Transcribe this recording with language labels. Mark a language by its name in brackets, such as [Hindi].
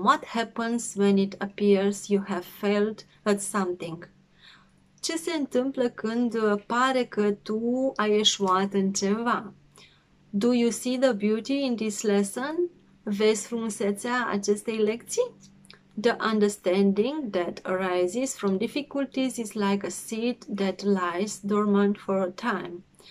[English] What happens when it appears you have failed at something? [Romanian] Ce se întâmplă când pare că tu ai eșuat în ceva? [English] Do you see the beauty in this lesson? [Romanian] Vezi frumusețea acestei lecții? [English] The understanding that arises from difficulties is like a seed that lies dormant for a time.